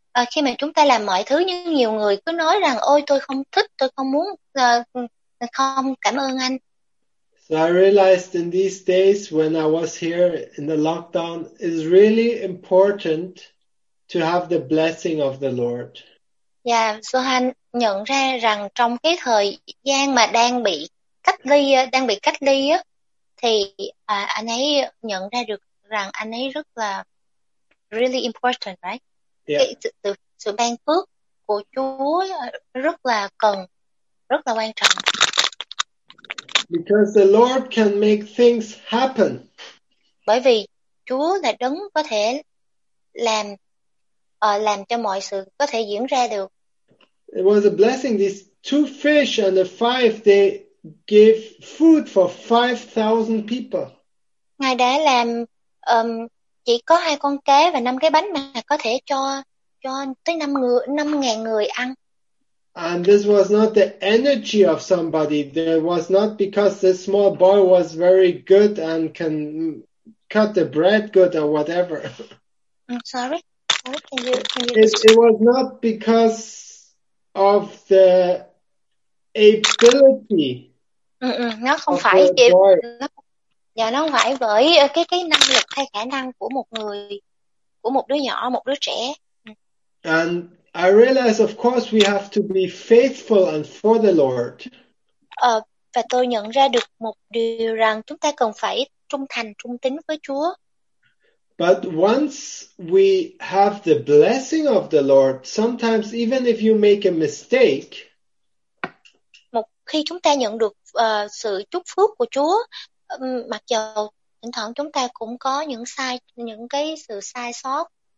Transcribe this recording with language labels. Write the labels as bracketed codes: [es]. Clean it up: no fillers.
[vi] Khi mà chúng ta làm mọi thứ nhưng nhiều người cứ nói rằng ôi tôi không thích, tôi không muốn, không cảm ơn anh. [en] So I realized in these days when I was here in the lockdown, it's really important to have the blessing of the Lord. [vi] Yeah, Johan nhận ra rằng trong cái thời gian mà đang bị cách ly á, thì anh ấy nhận ra được rằng anh ấy rất là [en] really important, right? Yeah. [vi] Sự ban phước của Chúa rất là cần, rất là quan trọng. [en] Because the Lord can make things happen. [vi] Bởi vì Chúa là đấng có thể làm cho mọi sự có thể diễn ra được. [en] It was a blessing. These two fish and the five, they gave food for 5,000 people. [vi] Ngài đã làm chỉ có hai con cá và năm cái bánh mà có thể cho tới 5,000 người ăn. [en] And this was not the energy of somebody. There was not because this small boy was very good and can cut the bread good or whatever. I'm sorry. Can you... It was not because of the ability. [vi] Nó không phải chỉ nó không phải bởi cái năng lực hay khả năng của một người, của một đứa nhỏ, một đứa trẻ. [en] And I realize of course we have to be faithful and for the Lord. [vi] Và tôi nhận ra được một điều rằng chúng ta cần phải trung thành, trung tín với Chúa. [en] But once we have the blessing of the Lord, sometimes even if you make a mistake, [vi] một khi chúng ta nhận được sự chúc phước của Chúa, mặc dù thỉnh thoảng chúng ta cũng có những sự sai sót,